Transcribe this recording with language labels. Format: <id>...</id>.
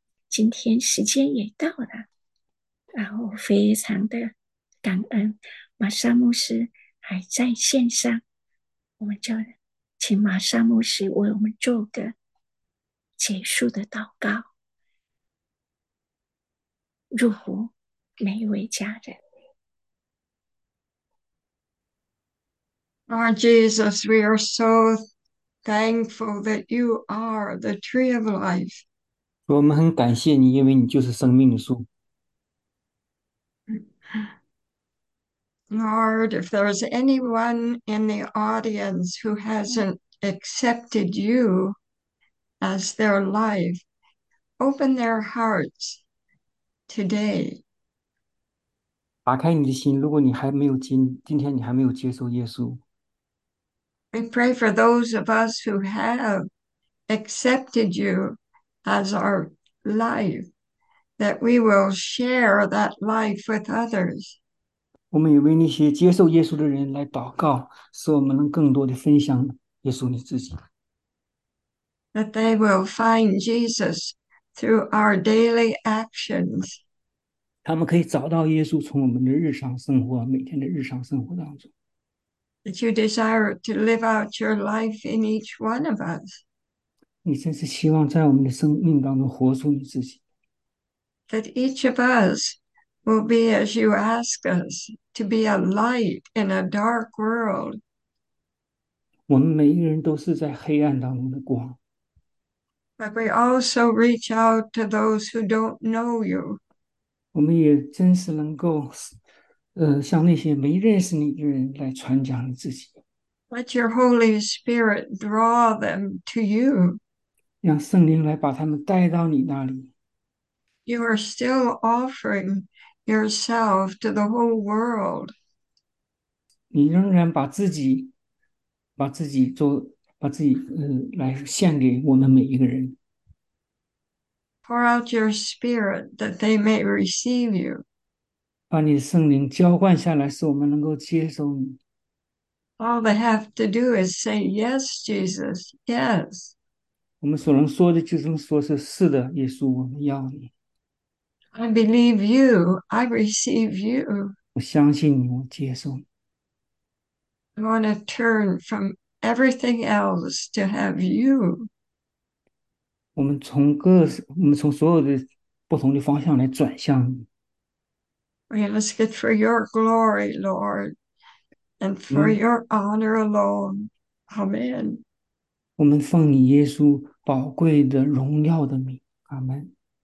<zh>今天时间也到了。然后非常的感恩，玛莎牧师还在线上，我们就请玛莎牧师为我们做个结束的祷告，祝福每一位家人。</zh> <en>Lord Jesus, we are so thankful that you are the tree of life.</en> <zh>我们很感谢你，因为你就是生命树。</zh> <en>Lord, if there is anyone in the audience who hasn't accepted you as their life, open their hearts today.</en> <zh>打开你的心，如果你还没有今天你还没有接受耶稣。</zh> <en>We pray for those of us who have accepted you as our life, that we will share that life with others.</en> <zh>我们也为那些接受耶稣的人来祷告，使我们能更多的分享耶稣你自己。</zh> <en>That they will find Jesus through our daily actions.</en> <zh>他们可以找到耶稣，从我们的日常生活、每天的日常生活当中。</zh> <en>That you desire to live out your life in each one of us.</en> <zh>你真是希望在我们的生命当中活出你自己。</zh> <en>That each of us will be as you ask us to be a light in a dark world.</en> <zh>我们每一个人都是在黑暗当中的光。</zh> <en>But we also reach out to those who don't know you.</en> <zh>我们也真是能够，向那些没认识你的人来传讲你自己，</zh> <en>Let your Holy Spirit draw them to you.</en> <zh>让圣灵来把他们带到你那里。</zh> <en>You are still offering yourself to the whole world.</en> <zh>你仍然把自己来献给我们每一个人。</zh> <en>Pour out your Spirit that they may receive you.</en> <zh>把你的圣灵浇灌下来，使我们能够接受你。</zh> <en>All they have to do is say, Yes, Jesus, yes.</en> <zh>我们所能说的，就能说是是的，耶稣，我们要你。</zh> <en>I believe you, I receive you.</en> <zh>我相信你，我接受你。</zh> <en>I want to turn from everything else to have you.</en> <zh>我们从所有的不同的方向来转向你。</zh> <en>We ask it for your glory, Lord. And for your honor alone. Amen.</en> <zh>我们奉你耶稣宝贵的荣耀的名，阿门。</zh>